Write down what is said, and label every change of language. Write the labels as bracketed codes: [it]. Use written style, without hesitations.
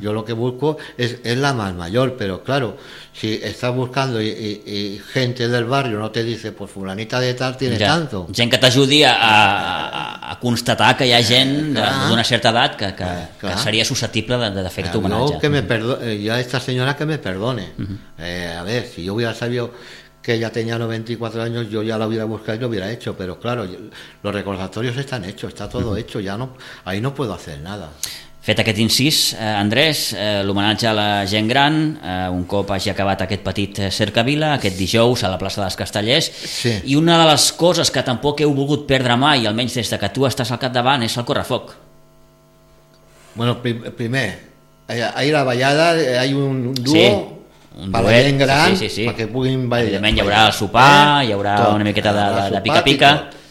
[es] Yo lo que busco es la más mayor, pero claro, si estás buscando y gente del barrio no te dice, pues fulanita de tal tiene ja, tanto. [ca] Gent que t'ajudi a constatar que hi ha gent d'una certa edat que seria susceptible de fer-te homenatge. [es] No, que me perdone, ya esta señora que me perdone. Uh-huh. A ver, si yo hubiera sabido que ya tenía 94 años, yo ya la hubiera buscado y lo hubiera hecho, pero claro, los recordatorios están hechos, está todo hecho, ya no, ahí no puedo hacer nada. [ca] Fet aquest incís, Andrés, l'homenatge a la gent gran, un cop hagi acabat aquest petit cercavila, aquest dijous a la plaça dels Castellers, sí. I una de les coses que tampoc heu volgut perdre mai, almenys des de que tu estàs al capdavant, és el correfoc. [es] Bueno, primer, ahí la ballada, hay un dúo... [ca] Sí. Un per duet, la gent gran, sí. Perquè puguin ballar. Evidentment hi haurà el sopar, hi haurà tot, una miqueta de pica-pica.